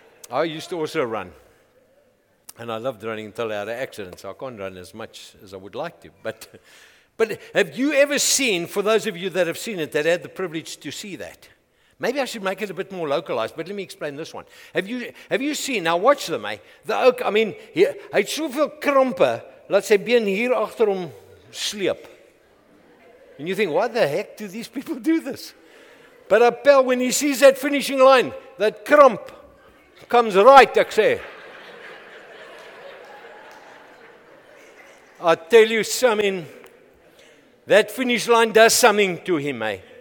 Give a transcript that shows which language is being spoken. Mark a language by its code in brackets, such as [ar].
[en] I used to also run, and I loved running until I had an accident, so I can't run as much as I would like to. But have you ever seen, for those of you that have seen it, that had the privilege to see that? Maybe I should make it a bit more localized, but let me explain this one. Have you seen, now watch them, eh? [af] Hy het soveel krampe, laat sy been hier achter hom sleep. [en] And you think, why the heck do these people do this? But Appel, when he sees that finishing line, that crump comes right, I say. I tell you something, that finish line does something to him, eh?